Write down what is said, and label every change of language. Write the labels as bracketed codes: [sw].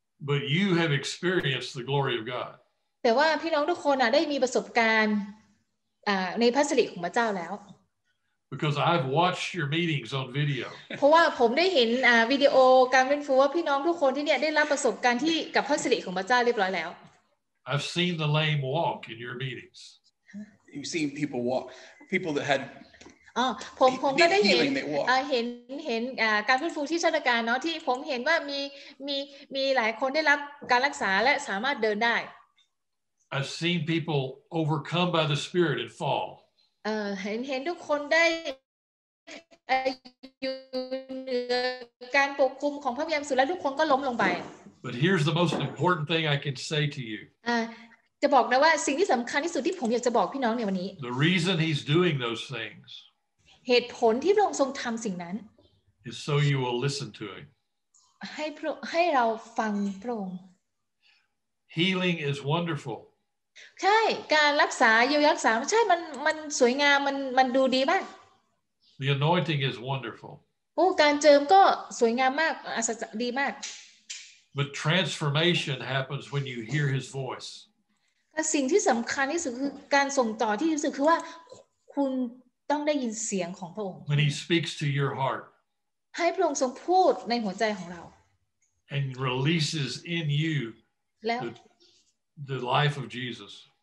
[en] But you have experienced the glory of God. [th] แต่ว่าพี่น้องทุกคนได้มีประสบการณ์ในพระสิริของพระเจ้าแล้ว [en] Because I've watched your meetings on video. [th] เพราะว่าผมได้เห็นวิดีโอการเว้นฟูว่าพี่น้องทุกคนที่เนี่ยได้รับประสบการณ์ที่กับพระสิริของพระเจ้าเรียบร้อยแล้ว [en] I've seen the lame walk in your meetings. You've seen people walk, people that had. [th] ผมก็ได้เห็นการฟื้นฟูที่ชาตการเนาะที่ผมเห็นว่ามีหลายคนได้รับการรักษาและสามารถเดินได้ [en] I've seen people overcome by the Spirit and fall. [th] เห็นทุกคนได้อยู่เหนือการปกคุมของพระวิญญาณบริสุทธิ์และทุกคนก็ล้มลงไป [en] But here's the most important thing I can say to you. [th] จะบอกนะว่าสิ่งที่สำคัญที่สุดที่ผมอยากจะบอกพี่น้องในวันนี้ [en] The reason he's doing those things. [th] เหตุผลที่พระองค์ทรงทำสิ่งนั้น [en] is so you will listen to him. [th] ให้เราฟังพระองค์ [en] Healing is wonderful. [th] ใช่การรักษาเยียวยารักษาใช่มันสวยงามมันดูดีมาก [en] The anointing is wonderful. [th] โอ้การเจิมก็สวยงามมากอัศจรรย์ดีมาก [en] But transformation happens when you hear His voice. [th] สิ่งที่สำคัญที่สุดคือการส่งต่อที่รู้สึกคือว่าคุณต้องได้ยินเสียงของพระองค์ [en] When He speaks to your heart. [th] ให้พระองค์ทรงพูดในหัวใจของเรา [en] And releases in you the life of Jesus.